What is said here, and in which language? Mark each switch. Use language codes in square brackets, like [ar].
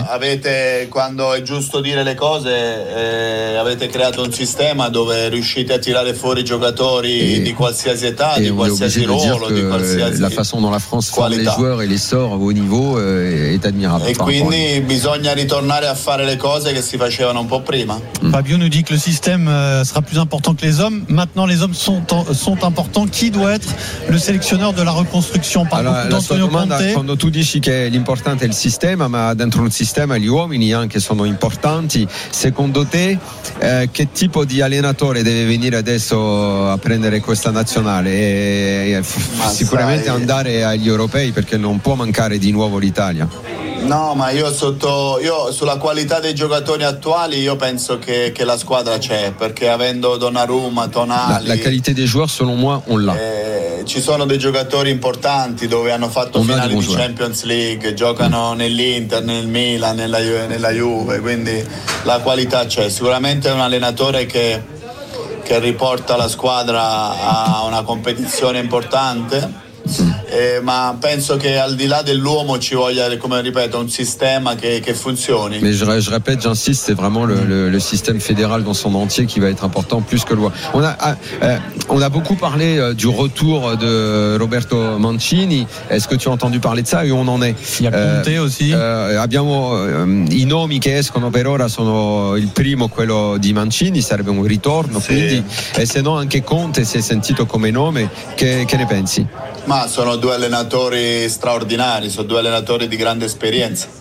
[it] Però avete, quando è giusto dire le cose, avete creato un sistema dove riuscite a tirare fuori giocatori di qualsiasi età, di qualsiasi ruolo, di qualsiasi. [fr] La façon dont la France forme les joueurs et les sort au niveau est admirable. [it] E quindi bisogna ritornare a fare le cose che si facevano un po' prima. [fr] Fabio nous dit que le système sera plus important que les hommes. Maintenant, les hommes sont importants. Qui doit être le sélectionneur de la reconstruction? Par Antonio Conte. [it] Quando tu dici che l'importante è il sistema, ma dentro un sistema gli uomini anche sono importanti. Secondo te, che tipo di allenatore deve venire adesso a prendere questa nazionale? Sicuramente andare agli europei, perché non può mancare di nuovo l'Italia. No, ma io sulla qualità dei giocatori attuali, io penso che la squadra c'è, perché avendo Donnarumma, Tonali. La qualità dei giocatori, secondo me, [fr] on l'ha. [it] Ci sono dei giocatori importanti dove hanno fatto [fr] on [it] finali di Champions League, giocano nell'Inter, nel Milan, nella Juve, quindi la qualità c'è. Sicuramente è un allenatore che riporta la squadra a una competizione importante. Ma penso che al di là dell'uomo ci voglia, come ripeto, un sistema che funzioni. [fr] Mais je répète, j'insiste, c'est vraiment le système fédéral dans son entier qui va être important plus que loi. On a beaucoup parlé du retour de Roberto Mancini. Est-ce que tu as entendu parler de ça? Et où on en est? Il y a Conte aussi. [it] Abbiamo i nomi che escono per ora sono il primo, quello di Mancini, sarebbe un ritorno, sì. Quindi, e se no anche Conte si è sentito come nome. Che ne pensi? Ma sono due allenatori straordinari, sono due allenatori di grande esperienza.